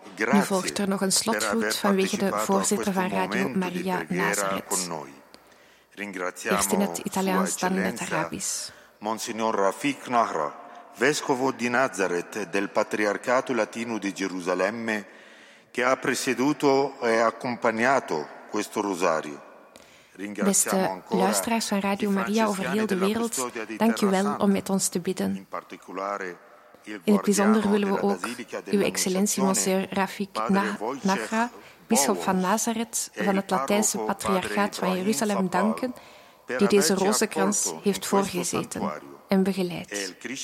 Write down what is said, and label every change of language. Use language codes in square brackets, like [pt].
[nl] Nu volgt er nog een slotgroet vanwege de voorzitter van Radio Maria Nazareth. Eerst in het Italiaans, dan in het Arabisch. [it] Monsignor Rafik Nahra, vescovo di Nazareth del Patriarcato Latino di Gerusalemme, che ha presieduto e accompagnato questo rosario. [nl] Beste luisteraars van Radio Maria over heel de wereld, dank u wel om met ons te bidden. In het bijzonder willen we ook uw excellentie, monsieur Rafik Nahra, bisschop van Nazareth van het Latijnse Patriarchaat van Jeruzalem danken, die deze rozenkrans heeft voorgezeten en begeleid.